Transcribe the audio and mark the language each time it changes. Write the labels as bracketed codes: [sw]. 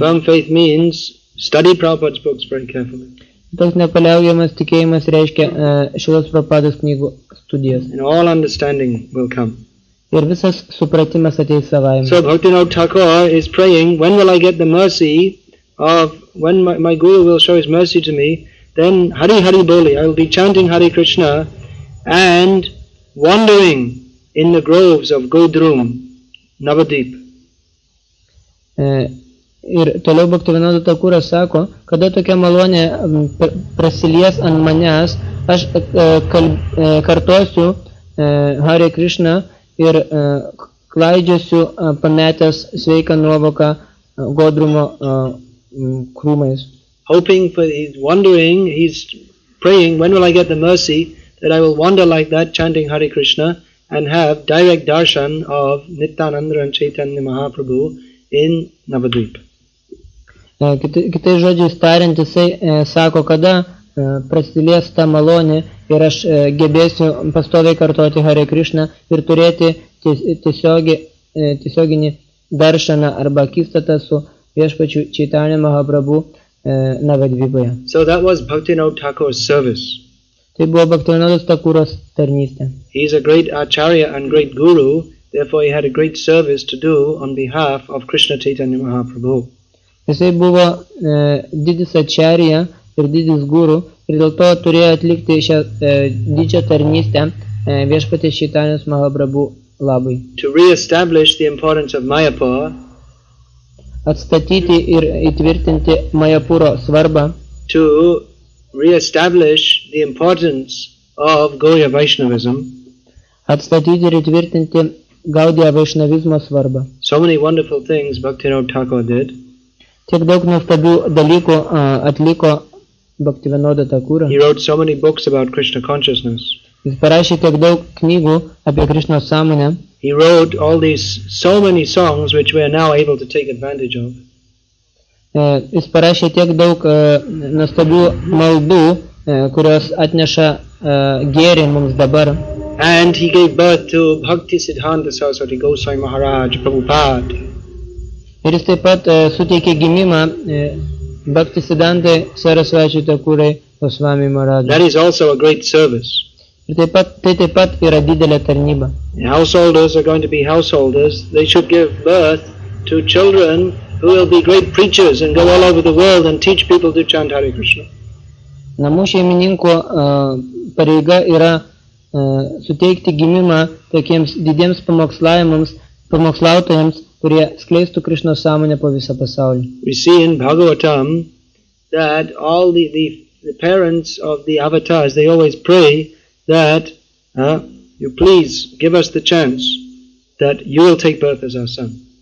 [en] Firm faith means study Prabhupada's books very carefully. [lt] Toks nepaliaujamas tikėjimas reiškia Šilos Prabhupados knygų studijas. [en] And all understanding will come. [lt] Ir visas supratimas ateis savaime. [en] So Bhaktivinoda Thakur is praying, when will I get the mercy of, when my guru will show his mercy to me, then Hari Hari Boli, I will be chanting Hare Krishna and wandering in the groves of Godrum, Navadeep. [lt] Ir toliau Bhaktivinoda Thakuras sako, kada tokia malonė prasilies ant manęs, aš kartosiu Hare Krishna ir klaidžiosiu pametęs sveiką nuovoką Godrumo krūmais. [en] Hoping for, he's wondering, he's praying, when will I get the mercy that I will wander like that chanting Hare Krishna and have direct darshan of Nityananda and Chaitanya Mahaprabhu in Navadvip. [lt] Kitai žodžiai tariant, jisai sako, kada prasilės ta malonė ir aš gebėsiu pastoviai kartoti Hare Krishna ir turėti tiesioginį darshaną arba akistatą su Viešpačiu Čaitanja Mahaprabhu Navadvipoje. [en] So that was Bhaktivinoda Thakur's service. [lt] Tai buvo Bhaktivinoda Thakuras tarnystė. [en] He is a great acharya and great guru, therefore he had a great service to do on behalf of Krishna Chaitanya Mahaprabhu. [lt] Jisai buvo didis acharya ir didis guru ir dėl to turėjo atlikti šią didžią tarnystę Viešpatės Čaitanjos Mahaprabhu labui. [en] To re-establish the importance of Mayapur, [lt] atstatyti ir įtvirtinti Mayapuro svarbą, [en] to re-establish the importance of Gaudiya Vaishnavism, [lt] atstatyti ir įtvirtinti Gaudiya Vaishnavizmo svarbą. [en] So many wonderful things Bhaktivinoda Thakur did. [lt] Tiek daug nuostabių dalykų atliko Bhaktivinoda Thakura. [en] He wrote so many books about Krishna consciousness. [lt] Jis parašė tiek daug knygų apie Krishnos sąmonę. [en] He wrote all these so many songs which we are now able to take advantage of. [lt] Jis parašė tiek daug nuostabių maldų, kurios atneša gėrį mums dabar. [en] And he gave birth to Bhakti Siddhanta Saraswati Gosai Maharaj Prabhupada. [lt] Ir jis taip pat suteikė gimimą Bhakti Siddhanta Saraswati Thakurai Goswami Maharaj. [en] That is also a great service. [lt] Ir taip pat yra didelė tarnyba. [en] Householders are going to be householders. They should give birth to children who will be great preachers and go all over the world and teach people to chant Hare Krishna. [lt] Namų šeimininko pareiga yra suteikti gimimą tokiems didiems pamokslautojams, kurie skleistų Krishna sąmonę po visą pasaulį. [en] We see in Bhagavatam that all the parents of the avatars, they always pray that you please give us the chance that you will take birth as our son.